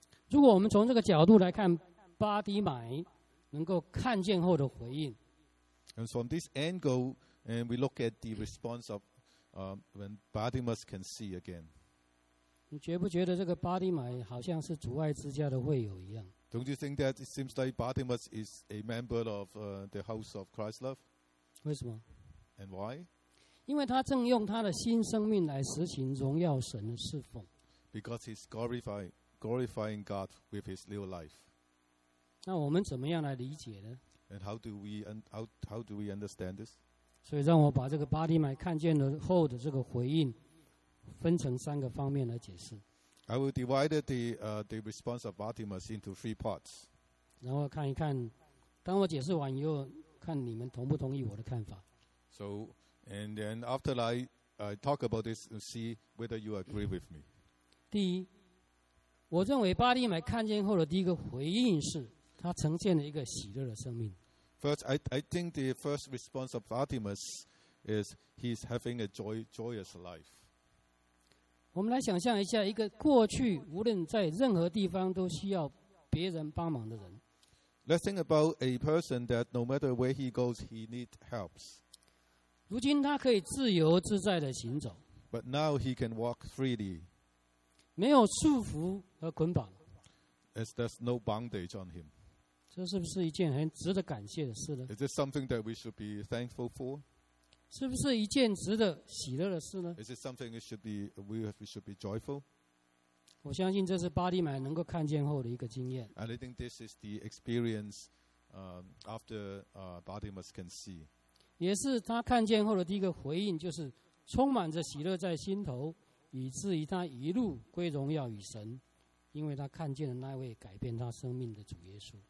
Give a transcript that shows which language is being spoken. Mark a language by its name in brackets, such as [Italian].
[Chinese] 如果我们从这个角度来看，巴迪买能够看见后的回应。 [English] And from this angle, and we look at the response of when Bartimaeus can see again. [Chinese] 你觉不觉得这个巴迪买好像是主爱之家的会友一样？ [English] Don't you think that it seems like Bartimaeus is a member of the house of Christ's love? [Chinese] 为什么？ [English] And why? [Chinese] 因为他正用他的新生命来实行荣耀神的侍奉。 [English] Because he's glorifying God with his new life. [Chinese] 那我们怎么样来理解呢？ [English] And how do we understand this? [Chinese] 所以让我把这个巴迪买看见了后的这个回应分成三个方面来解释。 [English] I will divide the response of Bartimaeus into three parts. [Chinese] 然后看一看，当我解释完以后，看你们同不同意我的看法。 [English] So, and then after I talk about this and see whether you agree with me. [Chinese] 第一，我认为巴利买看见后的第一个回应是，他呈现了一个喜乐的生命。 [English] First, I think the first response of Bartimaeus is he's having a joyous life. [Chinese] 我们来想象一下，一个过去无论在任何地方都需要别人帮忙的人。 [English] Let's think about a person that no matter where he goes, he needs help. [Chinese] 如今他可以自由自在的行走。 [English] But now he can walk freely. [Chinese] 没有束缚和捆绑。 [English] As there's no bondage on him. [Chinese] 这是不是一件很值得感谢的事呢？ [English] Is this something that we should be thankful for? [Chinese] 是不是一件值得喜乐的事呢？ [English] Is this something that we should be joyful? [Chinese] 我相信这是巴利买能够看见后的一个经验。 [English] And I think this is the experience, after Bartimaeus can see. [Chinese] 也是他看见后的第一个回应，就是充满着喜乐在心头，以至于他一路归荣耀与神，因为他看见了那位改变他生命的主耶稣。